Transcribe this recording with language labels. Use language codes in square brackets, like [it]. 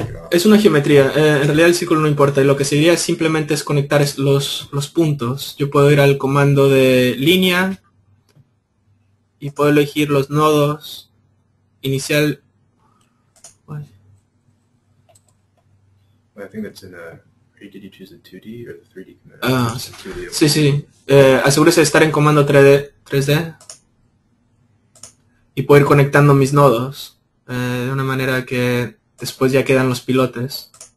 [es] Es una geometría, en realidad el círculo no importa, y lo que sería simplemente es conectar los puntos. Yo puedo ir al comando de línea y puedo elegir los nodos inicial. [en] I think that's in a. Did you choose a 2D or the 3D command? [es] Sí, sí. Asegúrese de estar en comando 3D, 3D y poder conectando mis nodos de una manera que después ya quedan los pilotes.